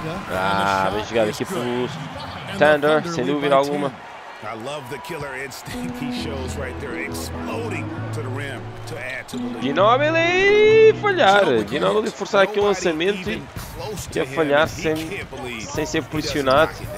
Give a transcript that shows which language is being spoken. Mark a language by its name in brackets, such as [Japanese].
[Portuguese] Ah, bem jogado aqui para o Thunder, sem dúvida alguma. [English] I love the killer instinct he shows right there, exploding to the rim to add to the lead. [Portuguese] Ginobili falhar. Ginobili forçar aqui o lançamento e a falhar sem ser pressionado.